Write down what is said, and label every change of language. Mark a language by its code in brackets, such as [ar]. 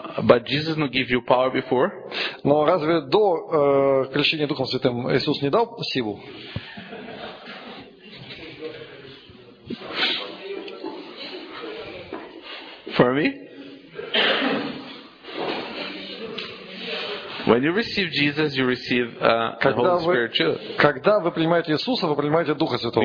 [en] But Jesus not give you power before? [ru] Но разве до крещения Духом Святым Иисус не дал силу? [en] For me? When you receive Jesus, you receive the Holy Spirit too. [ru] Когда вы принимаете Иисуса, вы принимаете Духа Святого.